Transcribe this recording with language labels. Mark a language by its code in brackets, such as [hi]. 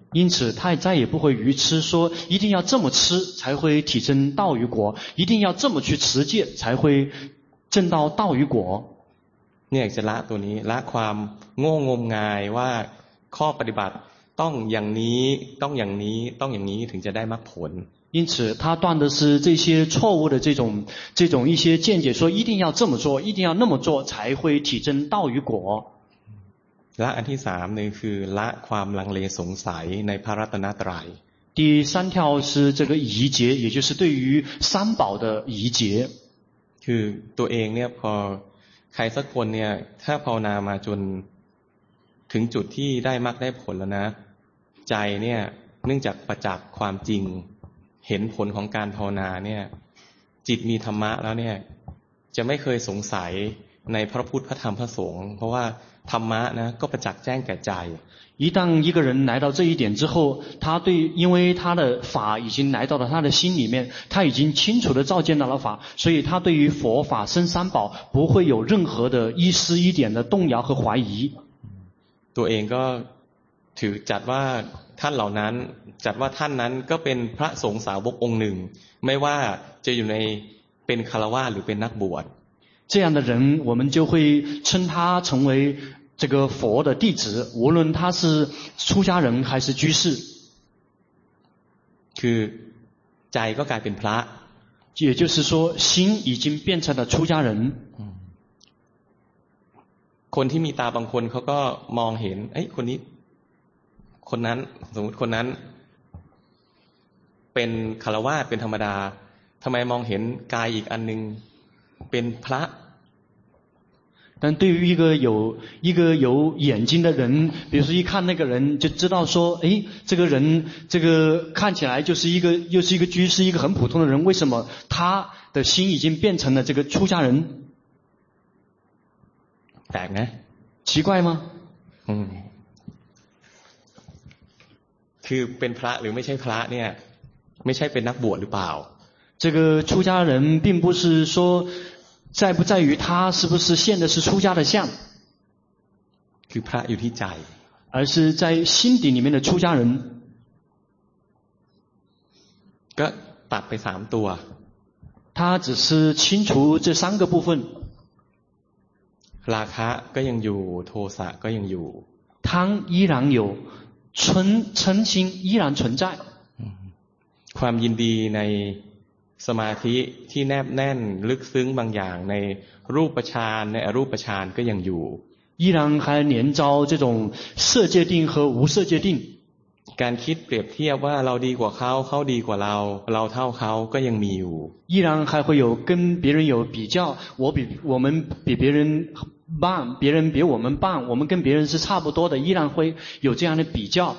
[zh] 因此他再也不会愚痴说一定要这么吃才会体证道与果一定要这么去持戒才会证到道与果 [th] เนี่ยจะละตัวนี้ละความโง่งมงายว่าข้อปฏิบัติต้องอย่างนี้ต้องอย่างนี้ต้องอย่างนี้ถึงจะได้มรรคผล [zh] 因此他断的是这些错误的这种一些见解说一定要这么做一定要那么做才会体证道与果 [th] และอันที่สามนี่คือละความลังเลสงสัยในพระรัตนตรัย [zh] 第三条是这个疑结也就是对于三宝的疑结 [th] คือตัวเองเนี่ยพอใครสักคนเนี่ยถ้าภาวนามาจนถึงจุดที่ได้มรรคได้ผลแล้วนะใจเนี่ยเนื่องจากประจักษ์ความจริงเห็นผลของการภาวนาเนี่ยจิตมีธรรมะแล้วเนี่ยจะไม่เคยสงสัยในพระพุทธพระธรรมพระสงฆ์เพราะว่าธรรมะนะก็ประจักษ์แจ้งแก่ใจ [zh] 一旦一个人来到这一点之后他对因为他的法已经来到了他的心里面他已经清楚地照见到了法所以他对于佛法生三宝不会有任何的一丝一点的动摇和怀疑 [th] ตัวเองก็ถือจัดว่าท่านเหล่านั้นจัดว่าท่านนั้นก็เป็นพระสงฆ์สาวกองค์หนึ่งไม่ว่าจะอยู่ในเป็นคฤหัสถ์หรือเป็นนักบวช [zh] 这样的人我们就会称他成为这个佛的弟子无论他是出家人还是居士 [th] คือใจก็กลายเป็นพระ [zh] 也就是说心已经变成了出家人 [th] คนที่มีตาบางคนเขาก็มองเห็นเอ้ยคนนี้คนนั้นสมมติคนนั้นเป็นคฤหัสถ์เป็นธรรมดาทำไมมองเห็นกายอีกอันนึงเป็นพระ [zh] 但对于一个有眼睛的人比如说一看那个人就知道说诶这个人这个看起来就是一个又是一个居士一个很普通的人为什么他的心已经变成了这个出家人 [th] แปลกไหม [zh] 奇怪吗 [th] คือเป็นพระหรือไม่ใช่พระเนี่ยไม่ใช่เป็นนักบวชหรือเปล่า [zh] 这个出家人并不是说在不在于他是不是现的是出家的相 [th] คือพระอยู่ที่ใจ [zh] 而是在心底里面的出家人 [th] ก็ตัดไปสามตัว [zh] 他只是清除这三个部分 [th] ราคะก็ยังอยู่โทสะก็ยังอยู่ [zh] 贪依然有嗔心依然存在 [th] ความยินดีในสมาธิที่แนบแน่นลึกซึ้งบางอย่างในรูปฌานในอรูปฌานก็ยังอยู่ [zh] 依然还连招这种色界定和无色界定 [th] การคิดเปรียบเทียบว่าเราดีกว่าเขาเขาดีกว่าเราเท่าเขาก็ยังมีอยู่ [zh] 依然还会有跟别人有比较我们比别人棒别人比我们棒我们跟别人是差不多的依然会有这样的比较